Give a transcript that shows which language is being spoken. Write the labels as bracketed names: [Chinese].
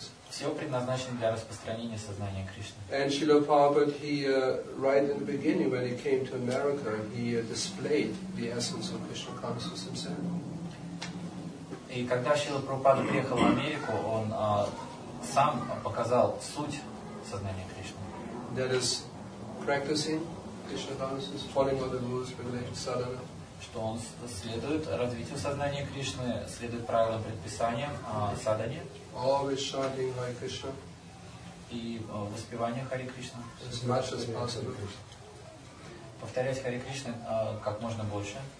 [Russian] Все предназначено для распространения сознания Кришны. [English] And Srila Prabhupada, he right in the beginning when he came to America, he displayed the essence of Krishna consciousness himself. [Russian] И когда Шрила Прабхупада приехал в Америку, он сам показал суть сознания Кришны. [English] That is practicing Krishna consciousness, following all the rules, regulations, sadhana. [Russian] Что он следует развитию сознания Кришны, следует правилам, предписаниям, садхане. [English] Always chanting Hare Krishna. [Russian] И воспевание Хари Кришна. [English] As much as possible. [Russian] Повторять Хари Кришны как можно больше.